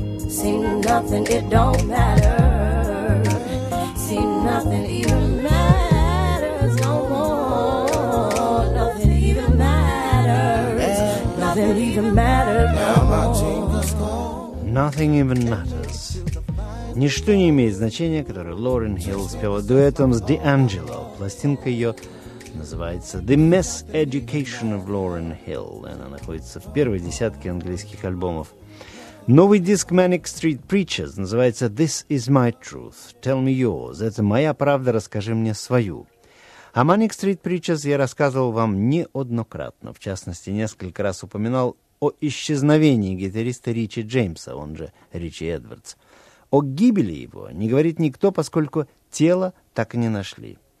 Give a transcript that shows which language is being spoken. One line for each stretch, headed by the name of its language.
English: See nothing, it don't matter. See nothing even matters no more. Nothing even matters. Nothing even matters no more. Nothing even matters.
Russian: Ничто не имеет значения, которое Лорен Хилл спела дуэтом с Д'Анджело. Пластинка ее называется «The Mess Education of Lauryn Hill». Она находится в первой десятке английских альбомов. Новый диск Manic Street Preachers называется «This is my truth, tell me yours». Это моя правда, расскажи мне свою. О Manic Street Preachers я рассказывал вам неоднократно. В частности, несколько раз упоминал о исчезновении гитариста Ричи Джеймса, он же Ричи Эдвардс. О гибели его не говорит никто, поскольку тело так и не нашли.